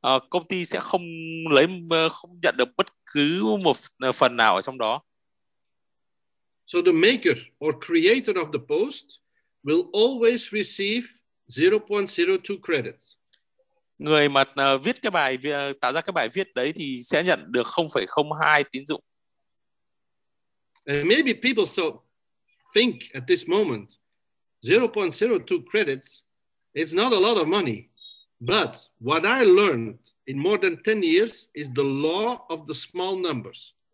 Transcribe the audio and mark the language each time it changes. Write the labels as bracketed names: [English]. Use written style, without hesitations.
[Vietnamese] Công ty sẽ không nhận được bất cứ một phần nào ở trong đó. [English] So the maker or creator of the post will always receive 0.02 credits. [Vietnamese] Người mà viết cái bài tạo ra cái bài viết đấy thì sẽ nhận được 0.02 tín dụng. [English] And maybe people so think at this moment 0.02 credits is not a lot of money. But what I learned in more than 10 years is the law of the small numbers.